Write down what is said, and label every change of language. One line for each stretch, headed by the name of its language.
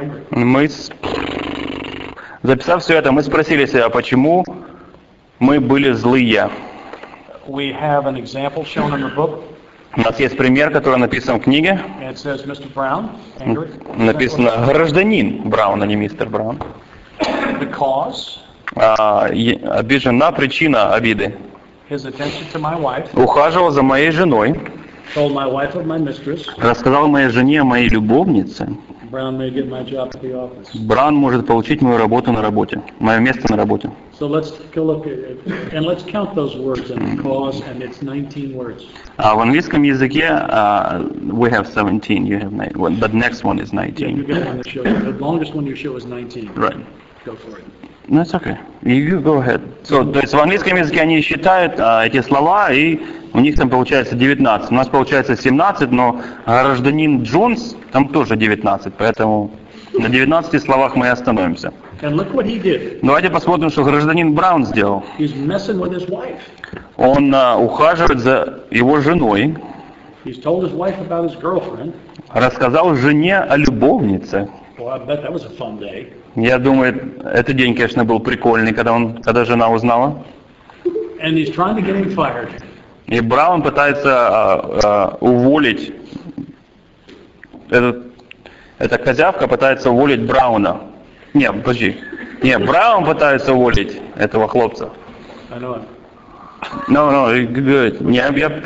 Russian: Мы, записав все это, мы спросили себя, почему мы были злые.
English: We have an example shown in the book.
Russian: У нас есть пример, который написан в книге.
English: It says, Mr. Brown, angry.
Russian: Написано «Гражданин Браун», а не «Мистер Браун».
English: The cause.
Russian: Обижена причина обиды.
English: His attention to my wife.
Russian: Ухаживал за моей женой.
English: Told my wife of my mistress.
Russian: Рассказал моей жене о моей любовнице.
English: Brown may get my job at the office.
Russian: Браун может получить мою работу на работе, мое место на работе.
English: So let's take a look at it, and let's count those words and cause, and it's 19 words.
Russian: В английском языке
English: we have 17, you have 19, well, but next one is 19. Yeah, you get on the show. The longest one you show is 19. Right. Go for it. No, it's okay. You go ahead.
Russian: So, то есть в английском языке они считают эти слова, и у них там получается 19. У нас получается 17, но гражданин Джонс там тоже 19, поэтому на 19 словах мы и остановимся.
English: And look what he did.
Russian: Давайте посмотрим, что гражданин Браун сделал.
English: He's messing with his wife.
Russian: Он ухаживает за его женой.
English: He's told his wife about his girlfriend.
Russian: Рассказал жене о любовнице.
English: Well, I bet that was a fun day.
Russian: Я думаю, этот день, конечно, был прикольный, когда жена узнала.
English: And he's trying to get him fired.
Russian: И Браун пытается уволить. Эта козявка пытается уволить Брауна. Не, подожди. Не, Браун пытается уволить этого хлопца.
English: I know. No, good.